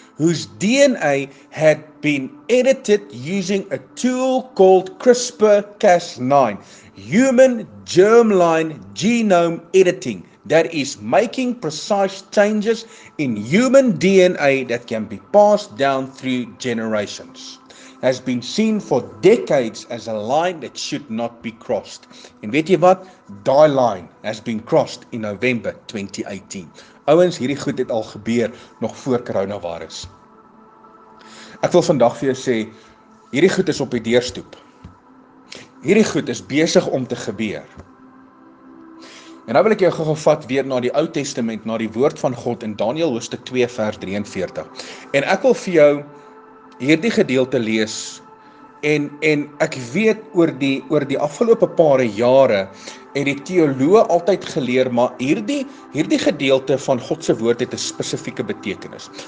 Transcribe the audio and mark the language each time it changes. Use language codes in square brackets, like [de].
[en] whose DNA had been edited using a tool called CRISPR-Cas9, human germline genome editing, that is making precise changes in human DNA that can be passed down through generations, has been seen for decades as a line that should not be crossed. [af] En weet jy wat? Daai line [en] has been crossed in November 2018. [af] Ouens, hierdie goed het al gebeur nog voor coronavirus. Ek wil vandag vir jou sê, hierdie goed is op die deurstoep. Hierdie goed is besig om te gebeur. En nou wil ek jou gou vat weer na die Ou Testament, na die woord van God in Daniël hoofstuk 2 vers 43. En ek wil vir jou hierdie gedeelte lees en ek weet oor die afgelope paar jare het die teoloog altyd geleer, maar hierdie gedeelte van God se woord het 'n spesifieke betekenis.